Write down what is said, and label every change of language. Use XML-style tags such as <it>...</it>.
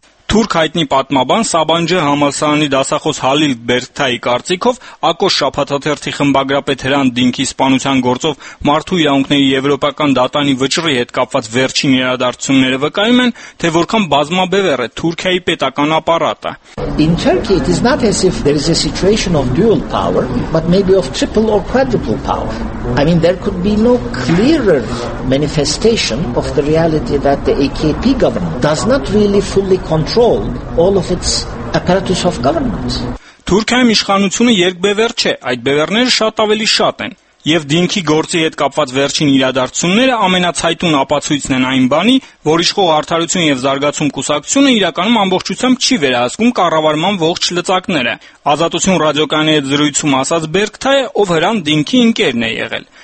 <hy>Թուրք հայտնի պատմաբան Սաբանջի համալսարանի դասախոս Հալիլ Բերգթայի կարծիքով ակոս շաբաթաթերթի խմբագրապետ Հրանտ Դինքի սպանության գործով մարդու իրավունքների եվրոպական դատանի վճռի հետ կապված վերջին իրադարձությունները վկայում են, թե որքան բազմաբևեր է Թուրքիայի պետական ապարատը։</hy> <en>In Turkey it is not as if there is a situation of dual power, but maybe of triple or quadruple power. I mean there could be no clearer manifestation of the reality that the AKP government does not really fully control all of its apparatus of government.</en> <hy>Թուրքիայում իշխանությունը երկբևեր չէ, այդ բևերները շատ ավելի շատ են, եւ Դինքի գործի հետ կապված վերջին իրադարձությունները ամենացայտուն ապացույցն են այն բանի, որ իշխող արդարություն եւ զարգացում կուսակցությունը իրականում ամբողջությամբ չի վերահսկում կառավարման ողջ լծակները, Ազատություն ռադիոկայանի հետ զրույցում ասաց Բերգթայը, ով Հրանտ Դինքի ընկերն է եղել։</hy>